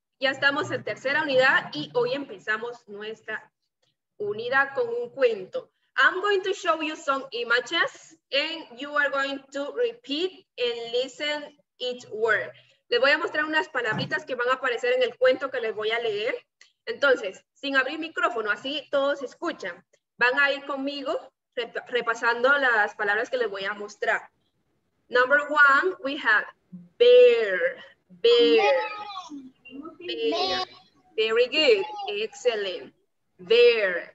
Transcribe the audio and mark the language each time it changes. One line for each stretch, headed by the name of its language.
Spanish: Ya estamos en tercera unidad y hoy empezamos nuestra unidad con un cuento.
English: I'm going to show you some images and you are going to repeat and listen each word.
Spanish: Les voy a mostrar unas palabritas que van a aparecer en el cuento que les voy a leer. Entonces, sin abrir micrófono, así todos escuchan. Van a ir conmigo repasando las palabras que les voy a mostrar.
English: Number one, we have bear. Bear. Bear. Very good. Excellent. Bear.